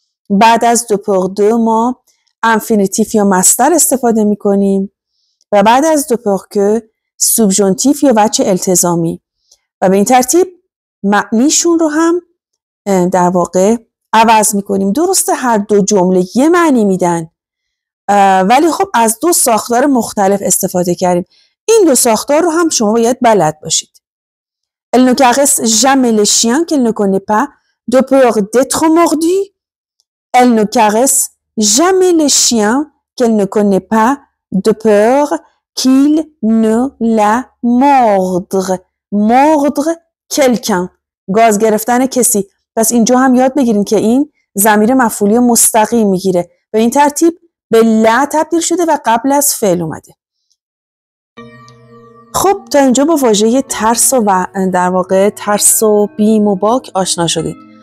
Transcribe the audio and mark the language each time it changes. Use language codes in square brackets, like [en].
[fa] بعد از دو پور دو ما انفینیتیف یا مصدر استفاده میکنیم و بعد از دو پور کو سوبژونتیف یا وجه التزامی و به این ترتیب معنیشون رو هم در واقع عوض می‌کنیم. درسته هر دو جمله یه معنی میدن ولی خب از دو ساختار مختلف استفاده کردیم. این دو ساختار رو هم شما باید بلد باشید. [fr] Elle ne caresse jamais les chiens qu'elle ne connaît pas de peur d'être mordue. Elle ne caresse jamais les chiens qu'elle ne connaît pas de peur qu'il ne la mordre. Mordre quelqu'un. [fa] گاز گرفتن کسی. پس اینجا هم یاد بگیرین که این ضمیر مفعولی مستقیم میگیره. به این ترتیب به لا تبدیل شده و قبل از فعل اومده. خب تا اینجا با واژه ترس و در واقع ترس و بیم و باک آشنا شدید.